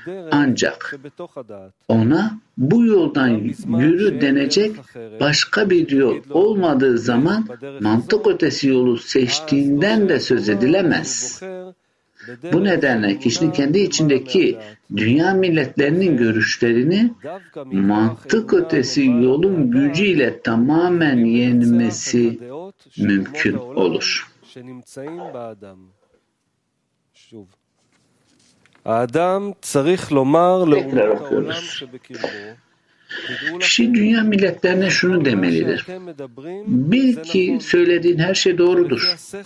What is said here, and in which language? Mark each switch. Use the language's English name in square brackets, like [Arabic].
[Turkish] Ancak ona bu yoldan yürü denecek başka bir yol olmadığı zaman mantık ötesi yolu seçtiğinden de söz edilemez. Bu nedenle kişinin kendi içindeki dünya milletlerinin görüşlerini mantık ötesi yolun gücüyle tamamen yenmesi mümkün olur. [Hebrew] שנמצאים באדם שוב האדם צריך לומר לעולם שבקרבו. [Turkish] Kişi dünya milletlerine şunu demelidir. Bil ki söylediğin her şey doğrudur.